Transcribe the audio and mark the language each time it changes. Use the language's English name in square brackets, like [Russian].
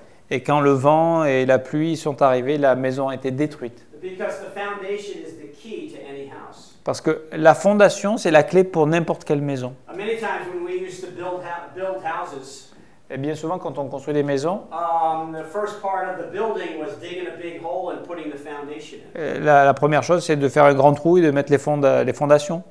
[French] Et quand le vent et la pluie sont arrivés, la maison a été détruite. [English] Because the foundation is the key to any house. [French] Parce que la fondation, c'est la clé pour n'importe quelle maison. [English] Many times when we used to build houses, [French] et bien souvent, quand on construit des maisons, la première chose, c'est de faire un grand trou et de mettre les fondations.